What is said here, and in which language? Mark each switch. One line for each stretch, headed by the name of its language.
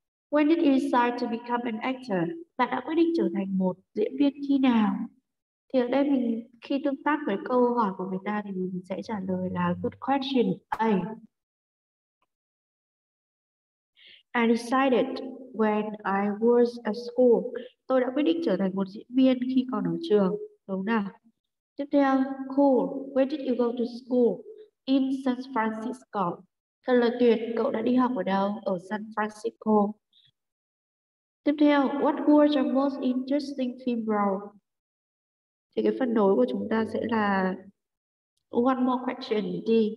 English: When did you decide to become an actor?
Vietnamese: Bạn đã quyết định trở thành một diễn viên khi nào? Thì ở đây mình khi tương tác với câu hỏi của người ta thì mình sẽ trả lời là
English: good question. A. I decided when I was at school.
Vietnamese: Tôi đã quyết định trở thành một diễn viên khi còn ở trường. Đúng nào? Tiếp theo,
English: cool. When did you go to school? In San Francisco.
Vietnamese: Thật là tuyệt, cậu đã đi học ở đâu? Ở San Francisco. Tiếp theo,
English: what was your most interesting film role?
Vietnamese: Thì cái phần đối của chúng ta sẽ là
English: one more question,
Vietnamese: D.